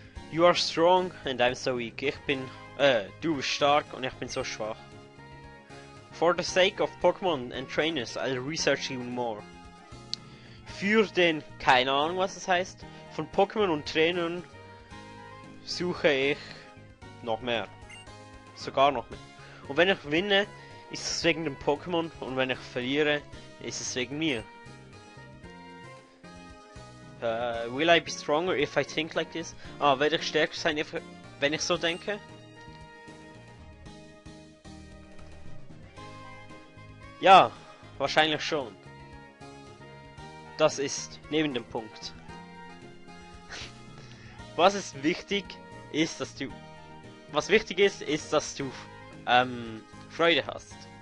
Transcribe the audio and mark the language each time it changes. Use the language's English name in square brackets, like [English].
[English] You are strong and I'm so weak. [German] Ich bin... du bist stark und ich bin so schwach. [English] For the sake of Pokémon and trainers, I'll research even more. [German] Für den, keine Ahnung was das heißt, von Pokémon und Trainern suche ich noch mehr. Sogar noch mehr. Und wenn ich winne, ist es wegen dem Pokémon und wenn ich verliere, ist es wegen mir. [English] Will I be stronger if I think like this? [German] Ah, werde ich stärker sein, wenn ich so denke? Ja, wahrscheinlich schon. Das ist neben dem Punkt. Was ist wichtig, ist, dass du... Was wichtig ist, dass du Freude hast.